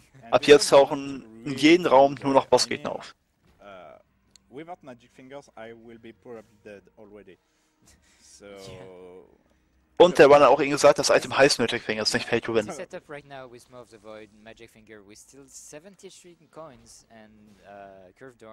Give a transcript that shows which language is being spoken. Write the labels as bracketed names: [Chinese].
[German] Ab jetzt tauchen in jedem Raum nur noch Bossgegner auf. [English] Without Magic Fingers, I will be probably dead already. So. Yeah. [German] Und der Runner auch eben gesagt, das Item heißt Magic Finger, ist nicht Pay to Win. [English] Setup right now with More of the Void, Magic Finger with still 73 coins and Curved Dorm.